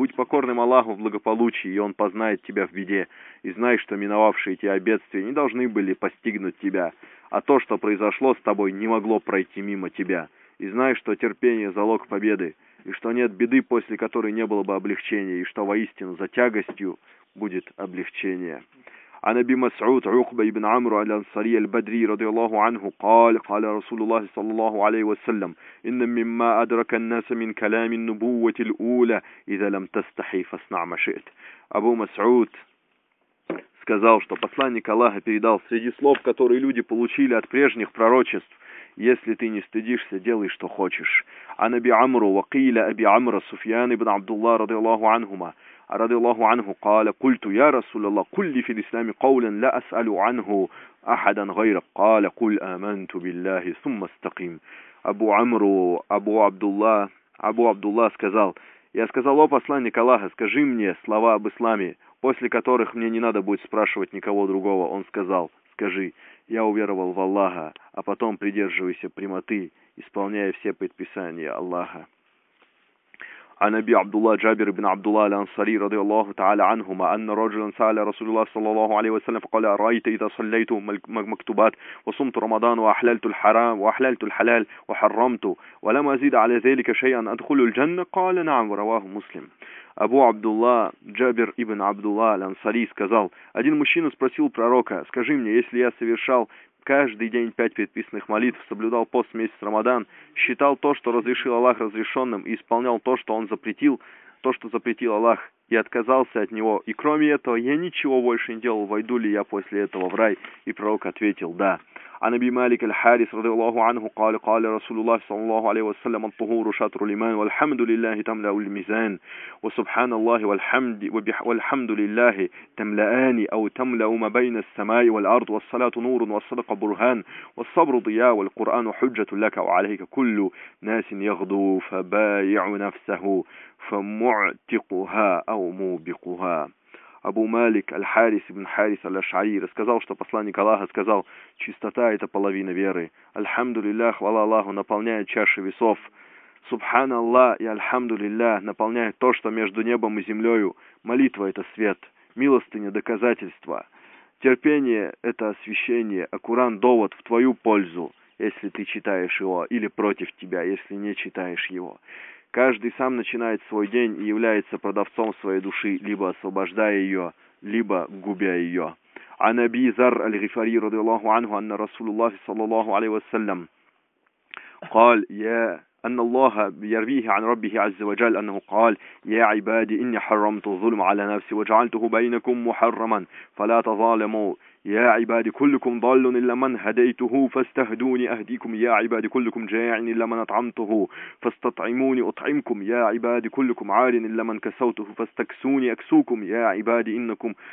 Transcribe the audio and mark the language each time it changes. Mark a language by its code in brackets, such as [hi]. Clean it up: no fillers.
[ru] Будь покорным Аллаху в благополучии, и он познает тебя в беде. И знай, что миновавшие тебя бедствия не должны были постигнуть тебя, а то, что произошло с тобой, не могло пройти мимо тебя. И знай, что терпение – залог победы, и что нет беды, после которой не было бы облегчения, и что воистину за тягостью будет облегчение». [ar] عن أبي مسعود عقبة بن عمرو الأنصاري البدري رضي الله عنه قال قال رسول الله صلى الله عليه وسلم إن مما أدرك الناس من كلام النبوة الأولى إذا لم تستحي فاصنع ما شئت. [ru] أبو مسعود сказал, что посланник Аллаха передал: среди слов, которые люди получили от прежних пророчеств, если ты не стыдишься, делай, что хочешь. [ar] عن أبي عمرو وقيل أبي عمرو سفيان بن عبد الله رضي الله عنهما رضي الله عنه قال قلت يا رسول الله قل لي في الإسلام قولا لا أسأل عنه أحدا غيرك قال قل آمنت بالله ثم استقيم. [ru] أبو عمرو أبو عبد الله сказал: «Я сказал: о посланник Аллаха, скажи мне слова об исламе, после которых мне не надо будет спрашивать никого другого». Он сказал: «Скажи: я уверовал в Аллаха, а потом придерживайся прямоты, исполняя все предписания Аллаха». [ar] عن أبي عبد الله جابر بن عبد الله الأنصاري رضي الله تعالى عنهما أن رجلا سأل رسول الله صلى الله عليه وسلم فقال أرأيت إذا صليت مكتوبات وصمت رمضان وأحللت الحرام وأحللت الحلال وحرمت ولم أزيد على ذلك شيئا أدخل الجنة؟ قال نعم. ورواه مسلم. [ru] Абу Абдулла Джабир ибн Абдулла аль-Ансари сказал: «Один мужчина спросил пророка: скажи мне, если я совершал каждый день 5 предписанных молитв, соблюдал пост месяц Рамадан, считал то, что разрешил Аллах разрешенным, и исполнял то, что он запретил, то, что запретил Аллах, и отказался от него, и кроме этого я ничего больше не делал, войду ли я после этого в рай?» И пророк ответил: «Да». [ar] عن أبي مالك الحارث رضي الله عنه قال قال رسول الله صلى الله عليه وسلم الطهور شطر الإيمان والحمد لله تملأ الميزان وسبحان الله والحمد والحمد لله تملأان أو تملأ ما بين السماء والأرض والصلاة نور والصدقة برهان والصبر ضياء والقرآن حجة لك وعليك كل ناس يغدو فبايع نفسه فمعتقها أو موبقها. [ru] Абу Малик Аль-Харис ибн Харис Аль-Ашари рассказал, что посланник Аллаха сказал: «Чистота – это половина веры. Аль-Хамдулилля, хвала Аллаху, наполняет чаши весов. Субхан Аллах и Аль-Хамдулилля наполняют то, что между небом и землею. Молитва – это свет. Милостыня – доказательство. Терпение – это освящение. А Куран – довод в твою пользу. если ты читаешь его, или против тебя, если не читаешь его. Каждый сам начинает свой день и является продавцом своей души, либо освобождая ее, либо губя ее. [ar] عن أبي ذر الغفاري رضي الله عنه أن رسول الله صلى الله عليه وسلم قال يا أن الله يرويه عن ربه عز وجل أنه قال يا عبادي إني حرمت الظلم على نفسي وجعلته بينكم محرما فلا تظالموا يا عبادي كلكم ضال إلا من هديته فاستهدوني أهديكم يا عبادي كلكم جائع إلا من أطعمته فاستطعموني أطعمكم يا عبادي كلكم عار إلا من كسوته فاستكسوني أكسوكم يا عبادي إنكم